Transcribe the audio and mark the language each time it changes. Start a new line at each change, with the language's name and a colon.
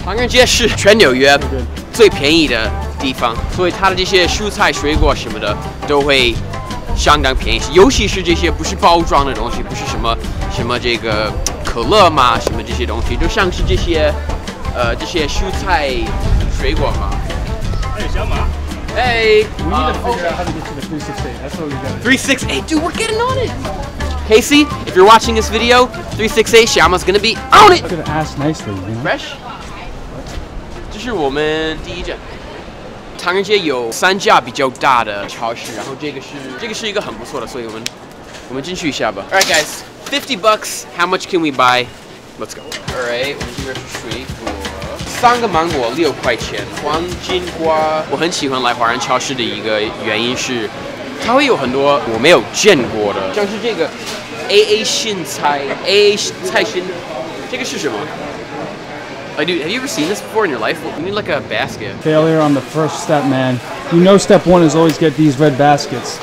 Chinese: 唐人街是全纽约最便宜的地方，所以它的这些蔬菜、水果什么的都会相当便宜，尤其是这些不是包装的东西，不是什么什么这个可乐嘛，什么这些东西，就像是这些这些蔬菜、水果嘛。哎，小马。
English: Hey. We need to figure out how to get to the We're getting on it. Casey, if you're watching this video, 368, Shama's gonna be on it. I'm gonna ask nicely. You know? Fresh. This is our first one.
Chinese: 唐人街有三家比较大的超市，然后这个是一个很不错的，所以我们进去一下吧。
English: All right, guys, $50. How much can we buy? Let's go. All right,
Chinese: 我们这边是水果，三个芒果6块钱，黄金瓜。我很喜欢来华人超市的一个原因是，它会有很多我没有见过的，像是这个 AA 心菜 ，AA 菜心，这个是什么？
English: Like, dude, have you ever seen this before in your life? You need like a basket. Failure on the first step, man. You know step one is always get these red baskets.